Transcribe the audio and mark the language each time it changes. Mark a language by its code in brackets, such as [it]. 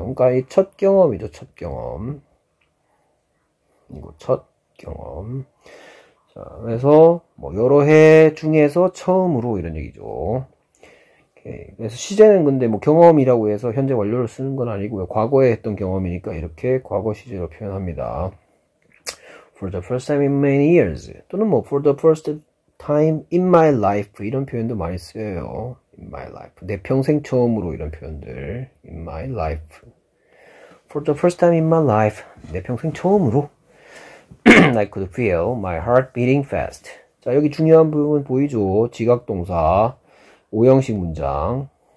[ko] 그러니까 이첫 경험이죠. 첫 경험. 이거 첫 경험. 자, 그래서 뭐 여러 해 중에서 처음으로 이런 얘기죠. 그래서 시제는 근데 뭐 경험이라고 해서 현재 완료를 쓰는 건 아니고요. 과거에 했던 경험이니까 이렇게 과거 시제로 표현합니다. [en] For the first time in many years. [ko] 또는 뭐 [en] for the first time in my life. [ko] 이런 표현도 많이 쓰여요. [en] In my life. [ko] 내 평생 처음으로 이런 표현들. [en] In my life. For the first time in my life. [ko] 내 평생 처음으로. [en] I could feel my heart beating fast. [ko] 자, 여기 중요한 부분 보이죠? 지각 동사. 5형식 문장.